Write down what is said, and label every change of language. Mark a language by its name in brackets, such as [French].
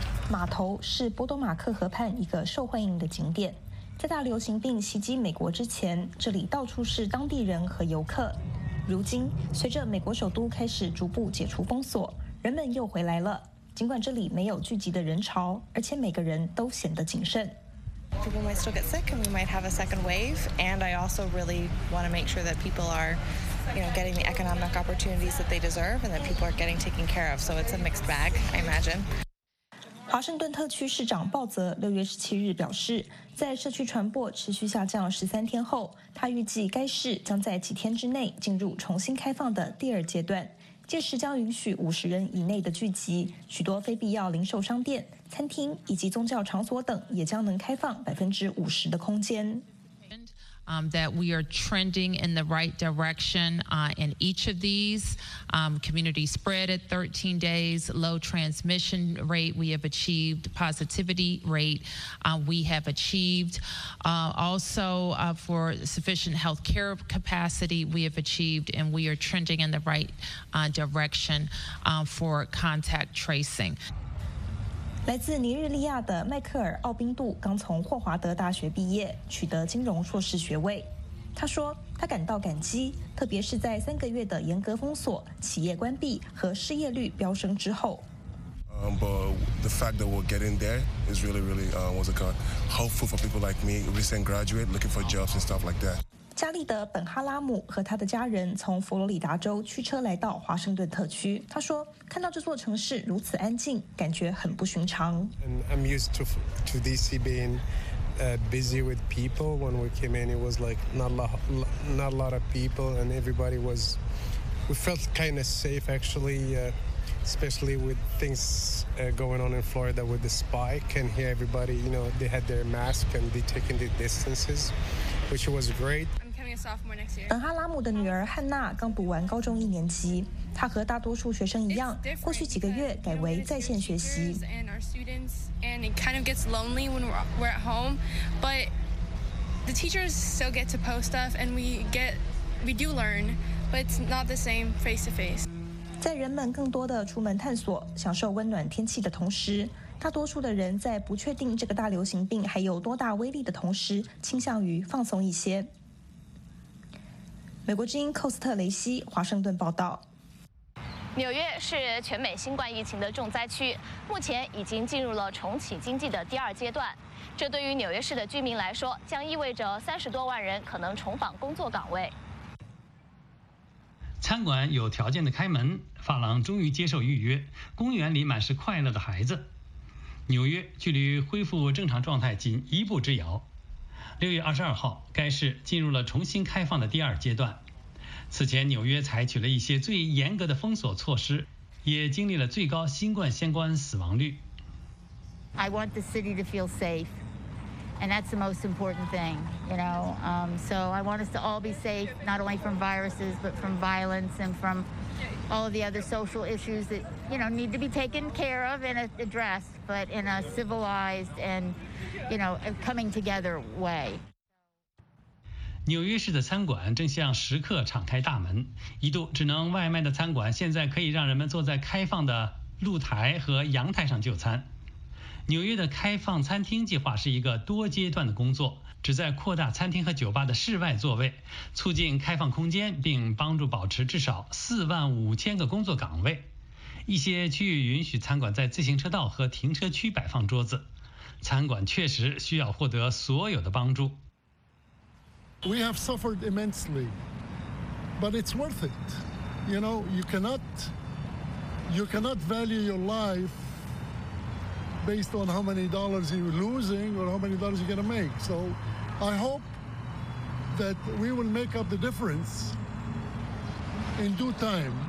[Chinese] 码头是波多马克河畔一个受欢迎的景点，在大流行病袭击美国之前，这里到处是当地人和游客。如今随着美国首都开始逐步解除封锁，人们又回来了，尽管这里没有聚集的人潮，而且每个人都显得谨慎。 [English] People might still get sick and we might have a second wave. And I also really want to make sure that people are, you know, getting the economic opportunities that they deserve and that people are getting taken care of. So it's a mixed bag, I imagine. [Chinese] 华盛顿特区市长鲍泽6月17日表示，在社区传播持续下降13天后，他预计该市将在几天之内进入重新开放的第二阶段，届时将允许50人以内的聚集，许多非必要零售商店、餐厅以及宗教场所等也将能开放50%的空间。 [English] That we are trending in the right direction in each of these. Community spread at 13 days, low transmission rate, we have achieved positivity rate, we have achieved. Also, for sufficient health care capacity, we have achieved, and we are trending in the right direction for contact tracing. [Chinese] 来自尼日利亚的迈克尔·奥宾杜刚从霍华德大学毕业，取得金融硕士学位。他说，他感到感激，特别是在3个月的严格封锁、企业关闭和失业率飙升之后。 [English] But the fact that we're getting there is really, really, was a kind of hopeful for people like me, recent graduate looking for jobs and stuff like that. [Chinese] 加利德·本哈拉姆和他的家人从佛罗里达州驱车来到华盛顿特区。他说，看到这座城市如此安静，感觉很不寻常。 [English] And I'm used to DC being busy with people. When we came in, it was like not a lot of people, and everybody was. We felt kind of safe actually, especially with things going on in Florida with the spike. And here, everybody, you know, they had their mask and they taking the distances, which was great. I'm coming a sophomore next year. [Chinese] 本哈拉姆的女儿汉娜刚读完高中1年级。他和大多数学生一样，过去几个月改为在线学习。 [English] And it kind of gets lonely when we're at home, but the teachers still get to post stuff, and we do learn, but it's not the same face to face. [Chinese] 在人们更多的出门探索、享受温暖天气的同时，大多数的人在不确定这个大流行病还有多大威力的同时，倾向于放松一些。美国之音寇斯特雷西，华盛顿报道。纽约是全美新冠疫情的重灾区，目前已经进入了重启经济的第二阶段，这对于纽约市的居民来说将意味着30多万人可能重返工作岗位。餐馆有条件的开门，发廊终于接受预约，公园里满是快乐的孩子。纽约距离恢复正常状态仅一步之遥，6月22号，该市进入了重新开放的第二阶段。此前纽约采取了一些最严格的封锁措施，也经历了最高新冠相关死亡率。 [English] I want the city to feel safe, and that's the most important thing, you know. So I want us to all be safe, not only from viruses, but from violence and from all the other social issues that, you know, need to be taken care of and addressed, but in a civilized and, you know, coming together way. [Chinese] 纽约市的餐馆正向食客敞开大门，一度只能外卖的餐馆现在可以让人们坐在开放的露台和阳台上就餐。纽约的开放餐厅计划是一个多阶段的工作，旨在扩大餐厅和酒吧的室外座位，促进开放空间，并帮助保持至少45000个工作岗位。一些区域允许餐馆在自行车道和停车区摆放桌子，餐馆确实需要获得所有的帮助。 [English] We have suffered immensely, but it's worth it. You know, you cannot value your life based on how many dollars you're losing or how many dollars you're going to make. So I hope that we will make up the difference in due time.